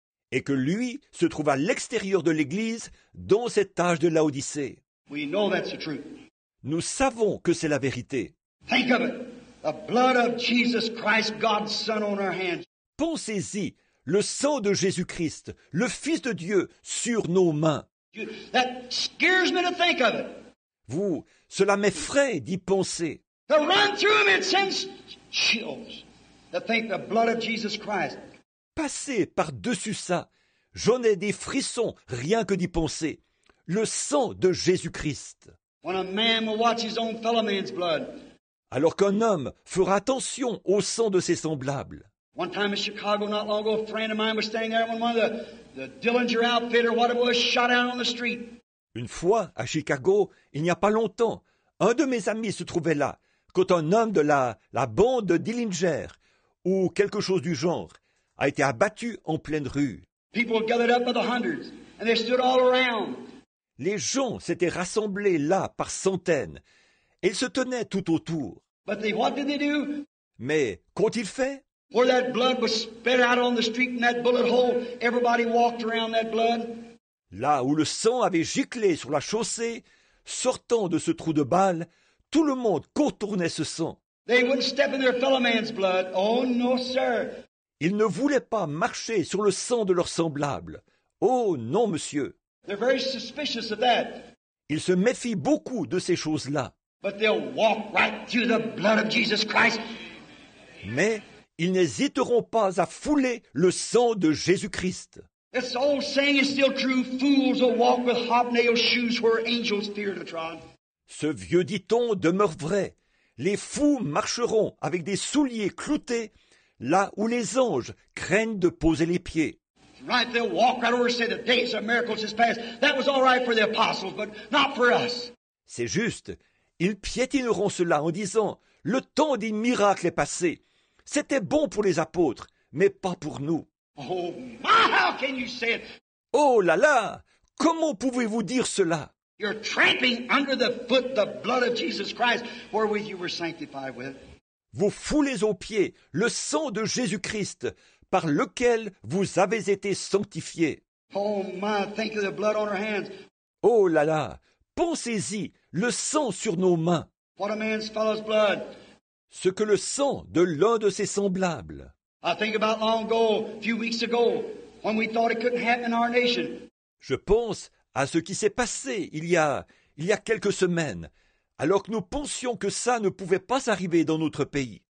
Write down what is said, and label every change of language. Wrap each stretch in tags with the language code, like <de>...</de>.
<fr>Et que lui se trouve à l'extérieur de l'Église, dans cet âge de Laodicée.</fr> <en>We know that's the truth.</en> <fr>Nous savons que c'est la vérité.</fr> <en>Think of it. The blood of Jesus Christ, God's Son, on our hands.</en> <fr>Pensez-y, le sang de Jésus-Christ, le Fils de Dieu, sur nos mains.</fr> <en>That scares me to think of it.</en> <fr>Vous, cela m'effraie d'y penser.</fr> <en>To run through him, it sends chills. To think the blood of Jesus Christ.</en> <fr>Passez par-dessus ça. J'en ai des frissons rien que d'y penser. Le sang de Jésus-Christ.</fr> <en>When a man will watch his own fellow man's blood.</en> <fr>Alors qu'un homme fera attention au sang de ses semblables.</fr> <en>One time in Chicago, not long ago, a friend of mine was standing there when one of the Dillinger outfit or whatever was shot out on the street.</en> <fr>Une fois, à Chicago, il n'y a pas longtemps, un de mes amis se trouvait là, quand un homme de la bande de Dillinger, ou quelque chose du genre, a été abattu en pleine rue.</fr> <en>People gathered up by the hundreds, and they stood all around.</en> <fr>Les gens s'étaient rassemblés là par centaines, et ils se tenaient tout autour.</fr> <en>But they, what did they do?</en> <fr>Mais qu'ont-ils fait?</fr> <en>Where that blood was spit out on the street in that bullet hole, everybody walked around that blood.</en> <fr>Là où le sang avait giclé sur la chaussée, sortant de ce trou de balle, tout le monde contournait ce sang.</fr> <en>They wouldn't step in their fellow man's blood. Oh no, sir.</en> <fr>Ils ne voulaient pas marcher sur le sang de leur semblable. Oh non, monsieur.</fr> <en>They're very suspicious of that.</en> <fr>Ils se méfient beaucoup de ces choses-là.</fr> <en>But they'll walk right through the blood of Jesus Christ.</en> <fr>Mais ils n'hésiteront pas à fouler le sang de Jésus-Christ.</fr> <en>This old saying is still true. Fools will walk with hobnailed shoes where angels fear to trod.</en> <fr>Ce vieux dicton demeure vrai. Les fous marcheront avec des souliers cloutés là où les anges craignent de poser les pieds.</fr> <en>Right, they'll walk right over and say the days of miracles is past. That was all right for the apostles, but not for us.</en> <fr>C'est juste. Ils piétineront cela en disant le temps des miracles est passé. C'était bon pour les apôtres, mais pas pour nous.</fr> <en>Oh, my, how can you say it?</en> <fr>Oh là là, comment pouvez-vous dire cela?</fr> <en>You're tramping under the foot the blood of Jesus Christ, wherewith you were sanctified with.</en> <fr>Vous foulez aux pieds le sang de Jésus-Christ, par lequel vous avez été sanctifiés.</fr> <en>Oh my, think of the blood on our hands.</en> <fr>Oh là là, pensez-y, le sang sur nos mains.</fr> <en>What a man's fellow's blood.</en> <fr>Ce que le sang de l'un de ses semblables.</fr> <en>I think about long ago, a few weeks ago, when we thought it couldn't happen in our nation.</en> <fr>Je pense à ce qui s'est passé il y a quelques semaines, alors que nous pensions que ça ne pouvait pas arriver dans notre pays.</fr>